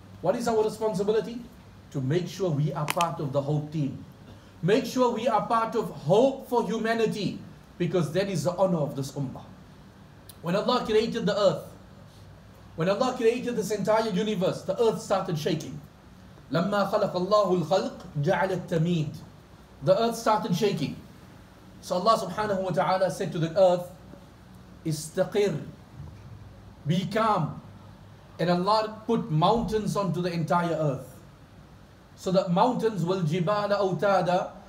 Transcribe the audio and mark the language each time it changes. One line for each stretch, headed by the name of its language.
English: What is our responsibility? To make sure we are part of the hope team. Make sure we are part of hope for humanity. Because that is the honor of this ummah. When Allah created the earth, when Allah created this entire universe, the earth started shaking.
Arabic: لما خلق الله الخلق جعل التميد.
English: The earth started shaking. So Allah subhanahu wa ta'ala said to the earth, استقر. Be calm. And Allah put mountains onto the entire earth. So that mountains will
Arabic: jibala autada.